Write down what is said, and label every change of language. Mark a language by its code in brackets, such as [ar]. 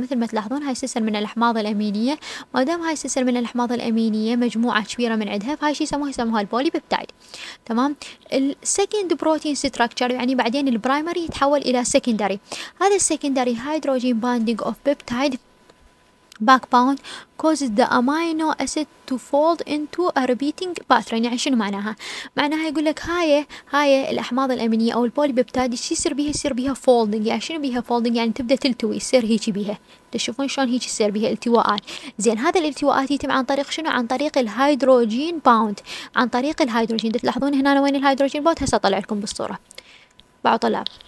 [ar] مثل ما تلاحظون هاي سلسلة من الأحماض الأمينية، ما دام هاي سلسلة من الأحماض الأمينية مجموعة كبيرة من عندها، فهاي شيء يسموها البولي بيبتايد. تمام، السكند بروتين ستراكشر، يعني بعدين البرايمري يتحول إلى سكندري، هذا السكندري هيدروجين باندينج اوف بيبتايد، [en] backbone causes the amino acid to fold into a repeating pattern. [ar] يعني شنو معناها؟ معناها يقول لك هاي الأحماض الأمينية أو البوليبيبتادي شو يصير بيها؟ يصير بيها folding. يعني شنو بيها folding؟ يعني تبدأ تلتوي، يصير هيك بيها. تشوفون شلون هيك يصير بيها التواءات. زين هذا الالتواءات يتم عن طريق شنو؟ عن طريق الهيدروجين bound. عن طريق الهيدروجين تلاحظون هنا وين الهيدروجين bound؟ هسه طلع لكم بالصورة بعض طلاب.